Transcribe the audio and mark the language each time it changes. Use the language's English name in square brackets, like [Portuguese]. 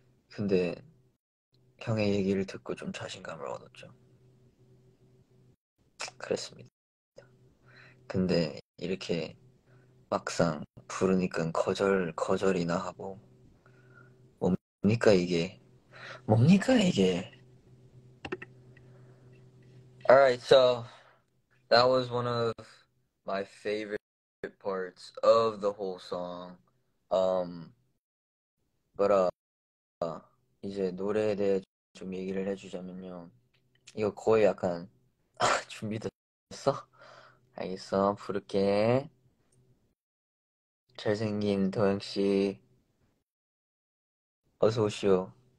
[Korean] 근데 형의 얘기를 듣고 좀 자신감을 얻었죠. 그랬습니다. 근데 이렇게 막상 부르니까 거절이나 하고 뭡니까 이게? 뭡니까 이게? [English] Alright, so that was one of my favorite parts of the whole song. But [Korean] 이제 노래에 대해 좀 얘기를 해주자면요. 이거 거의 약간 준비됐어? 알겠어, 부를게. 잘생긴 도영씨 어서오시오.